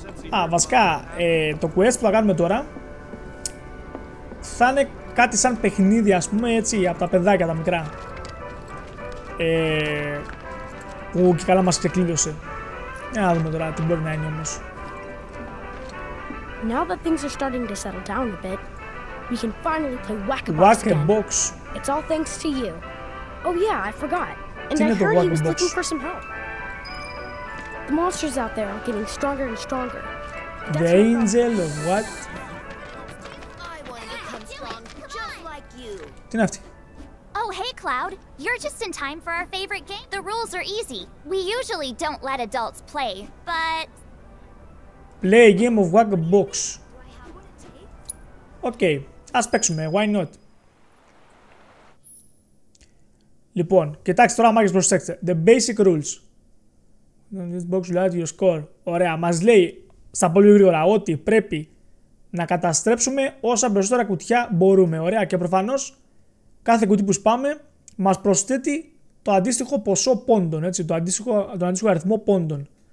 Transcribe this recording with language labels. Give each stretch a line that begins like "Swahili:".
Greek: Α, βασικά, το quest που θα κάνουμε τώρα θα είναι κάτι σαν παιχνίδι, ας πούμε, έτσι, από τα παιδάκια τα μικρά. Που και καλά μας ξεκλείδωσε. Για να δούμε τώρα τι μπορεί να είναι όμως.
English: Now that things are starting to settle down a bit, we can finally play whack-a-box. It's all thanks to you. Oh yeah, I forgot. And I heard he was looking for some help. The monsters out there are getting stronger and stronger. The angel of what? I want to become strong just like you. Oh hey Cloud, you're just in time for our favorite game. The rules are easy. We usually don't let adults play, but play a game of whack a box. Okay,
Greek: ας παίξουμε,
English: why not?
Greek: Λοιπόν, κοιτάξτε τώρα μάγες, προσέξτε.
English: The basic rules. This box will add your score.
Greek: Ωραία, μας λέει στα πολύ γρήγορα ότι πρέπει να καταστρέψουμε όσα περισσότερα κουτιά μπορούμε. Ωραία, και προφανώς κάθε κουτί που σπάμε μας προσθέτει το αντίστοιχο ποσό πόντων, έτσι, τον αντίστοιχο αριθμό πόντων.